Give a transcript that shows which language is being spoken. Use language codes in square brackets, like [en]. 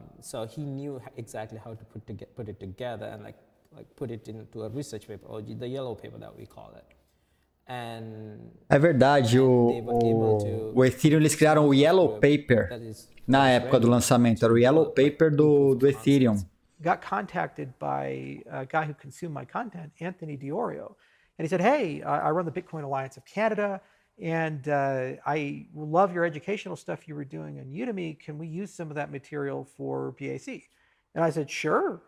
[en] So he knew exactly how to put it together and like put it into a research paper, or the yellow paper that we call it. And [pt] é verdade, o Ethereum, eles criaram o yellow paper na época do lançamento, era o yellow paper do Ethereum. [en] Got contacted by a guy who consumed my content, Anthony DiOrio, and he said, hey, I run the Bitcoin Alliance of Canada, and I love your educational stuff you were doing on Udemy. Can we use some of that material for BAC? And I said, sure.